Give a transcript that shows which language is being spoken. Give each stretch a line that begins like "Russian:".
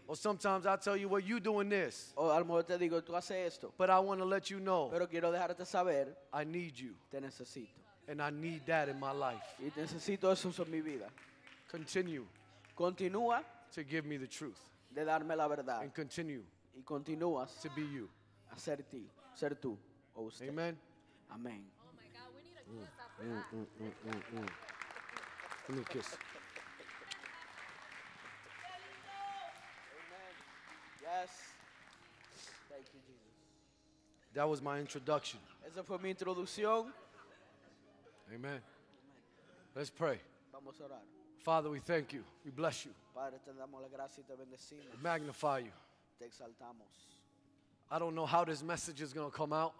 English: Or sometimes I tell you, well, you're doing this.
Spanish: O a lo mejor te digo, tú haces esto.
English: But I want to let you know,
Spanish: pero quiero dejarte saber,
English: I need you.
Spanish: Te necesito.
English: And I need that in my life.
Spanish: Y necesito eso en mi vida.
English: Continue.
Spanish: Continúa
English: to give me the truth.
Spanish: De darme la verdad.
English: And continue
Spanish: y continúas
English: to be you.
Spanish: A ser ti, ser tú, o usted.
English: Amen. Amen. Give me a kiss. Amen. Yes. Thank you, Jesus. That was my introduction.
Spanish: Esa fue mi introducción.
English: Amen. Let's pray.
Spanish: Vamos a orar.
English: Father, we thank you. We bless you.
Spanish: Padre, te damos la gracia y te bendecimos.
English: We magnify you.
Spanish: Te exaltamos.
English: I don't know how this message is going to come out.